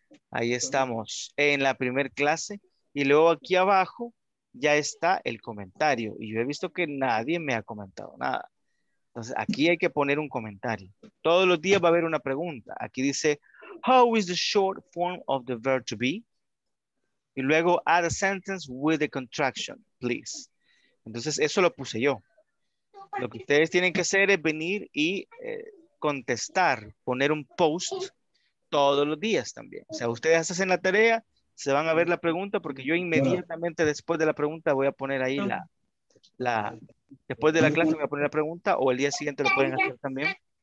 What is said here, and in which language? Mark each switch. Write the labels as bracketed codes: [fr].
[es] Ahí estamos en la primer clase y luego aquí abajo ya está el comentario y yo he visto que nadie me ha comentado nada. Entonces aquí hay que poner un comentario. Todos los días va a haber una pregunta. Aquí dice, [en] how is the short form of the verb to be? [es] Y luego [en] add a sentence with the contraction, please. [es] Entonces eso lo puse yo. Lo que ustedes tienen que hacer es venir y contestar, poner un post. Todos los días también. O sea, ustedes hacen la tarea, se van a ver la pregunta, porque yo inmediatamente después de la pregunta voy a poner ahí después de la clase voy a poner la pregunta, o el día siguiente lo pueden hacer también.